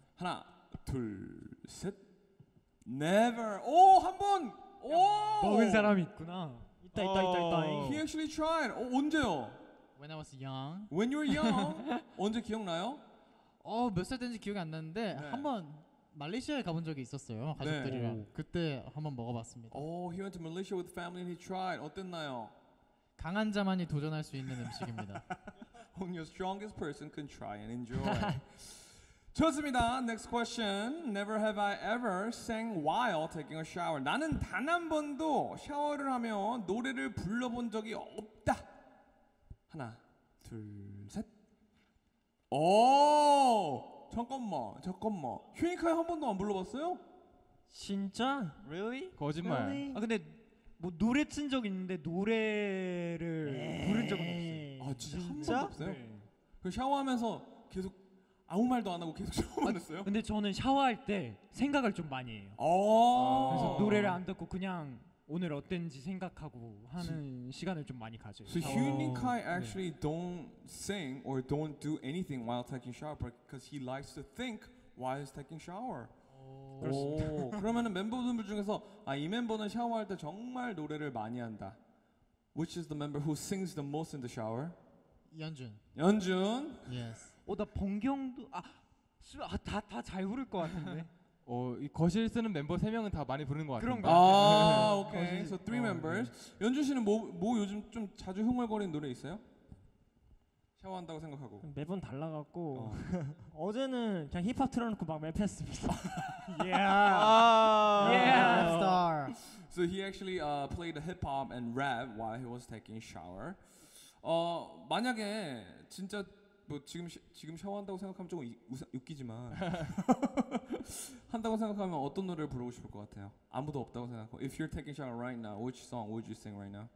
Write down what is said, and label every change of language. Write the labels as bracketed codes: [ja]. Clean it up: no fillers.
[ko] 하나, 둘, 셋. [en] Never. [ko] 오, 한 번. 오. 먹은 사람이 있구나. 있다, 있다, 있다, 있다. [en] He actually tried. [ko] 오, 언제요? [en] When I was young. When you were young. [ko] 언제 기억나요? 어, 몇 살 때인지 기억이 안 나는데 네. 한 번. 말레이시아에 가본 적이 있었어요 가족들이랑 네. 그때 한번 먹어봤습니다. [en] Oh, he went to Malaysia with family and he tried. [ko] 어땠나요? 강한 자만이 도전할 수 있는 음식입니다. [en] Only your strongest person can try and enjoy. [ko] 좋습니다. [en] Next question. Never have I ever sang while taking a shower. [ko] 나는 단 한 번도 샤워를 하며 노래를 불러본 적이 없다. 하나, 둘, 셋. 오. 잠깐만, 잠깐만. 휴닝카에 한 번도 안 불러봤어요? 진짜? [en] Really? [ko] 거짓말. [en] Really? [ko] 아 근데 뭐 노래 쓴 적 있는데 노래를 부른 적은 없어요. 아 진짜? 진짜? 한 번도 없어요? 네. 샤워하면서 계속 아무 말도 안 하고 계속 샤워만 했어요? 근데 저는 샤워할 때 생각을 좀 많이 해요. 그래서 노래를 안 듣고 그냥 오늘 어땠는지 생각하고 하는 시간을 좀 많이 가져요. [en] So Hyunikai actually 네. don't sing or don't do anything while taking shower because he likes to think while he's taking shower. [ko] 오, 그러면은 멤버분들 중에서 아, 이 멤버는 샤워할 때 정말 노래를 많이 한다. [en] Which is the member who sings the most in the shower? [ko] 연준. 연준? [en] Yes. [ko] 오, 나 봉경도 아, 아 다 다 잘 부를 것 같은데. 어, 이 거실 쓰는 멤버 세 명은 다 많이 부르는 것 같은데. 그런가? 아, 오케이. [en] So three members. [ko] 연준 씨는 뭐 요즘 좀 자주 흥얼거리는 노래 있어요? 샤워한다고 생각하고 매번 달라갖고 어. 어제는 그냥 힙합 틀어놓고 막 랩했습니다. [en] Yeah. Yeah. Star. So he actually played hip hop and rap while he was taking shower. [ko] 만약에 진짜 뭐 지금 샤워한다고 생각하면 조금 웃기지만 한다고 생각하면 어떤 노래를 부르고 싶을 것 같아요? 아무도 없다고 생각하고 [en] If you're taking shower right now, which song would you sing right now?